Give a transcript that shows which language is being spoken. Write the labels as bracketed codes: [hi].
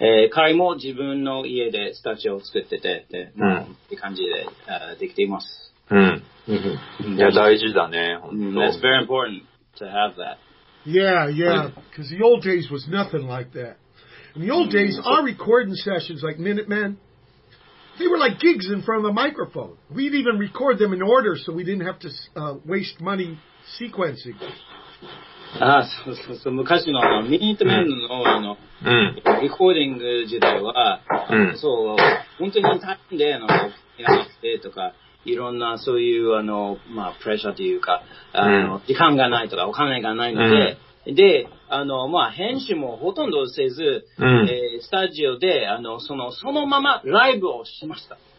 [ja] 彼も自分の家でスタジオを作ってて、って感じで、できています。うん。いや、大事だね。 [en] That's very important to have that. Yeah, yeah. Because the old days was nothing like that. In the old days, our recording sessions, like Minutemen, they were like gigs in front of the microphone. We'd even record them in order so we didn't have to waste money sequencing. [ja] そう、昔のミニットメンの、リコーディング時代は、そう、本当に大変で、やってとか、いろんなそういう、まあ、プレッシャーというか、時間がないとか、お金がないので、で、まあ、編集もほとんどせず、スタジオで、そのままライブをしました。